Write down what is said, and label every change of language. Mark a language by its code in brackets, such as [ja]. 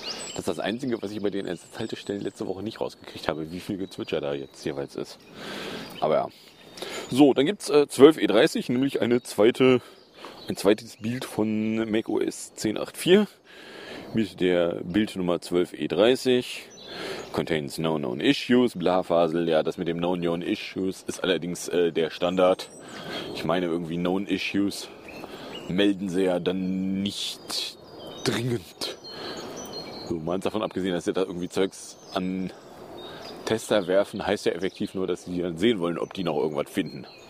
[de] Das ist das Einzige, was ich bei den Ersatzhaltestellen letzte Woche nicht rausgekriegt habe, wie viel Gezwitscher da jetzt jeweils ist. Aber ja. So, dann gibt es 12E30, nämlich ein zweites Bild von macOS 10.8.4 mit der Bildnummer 12E30. [en] Contains no known issues, [de] bla Fasel. Ja, das mit dem [en] no known issues [de] ist allerdings der Standard. Ich meine irgendwie [en] known issues [de] melden sie ja dann nicht dringend. So, mal davon abgesehen, dass sie da irgendwie Zeugs an Tester werfen, heißt ja effektiv nur, dass sie dann sehen wollen, ob die noch irgendwas finden.